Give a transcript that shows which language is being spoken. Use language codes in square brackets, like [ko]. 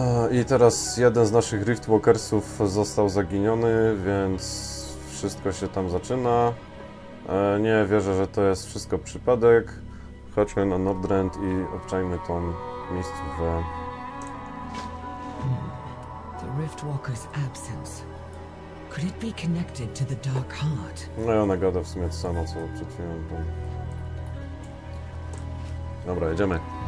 [pl] I teraz jeden z naszych Riftwalkersów został zaginiony, więc wszystko się tam zaczyna. Nie wierzę, że to jest wszystko przypadek. Chodźmy na Nordrend i obczajmy tą miejscówkę. [en] The Riftwalker's absence. Could it be connected to the Dark Heart? [pl] No i ona gada w sumie to samo, co przed chwilą. Dobra, jedziemy.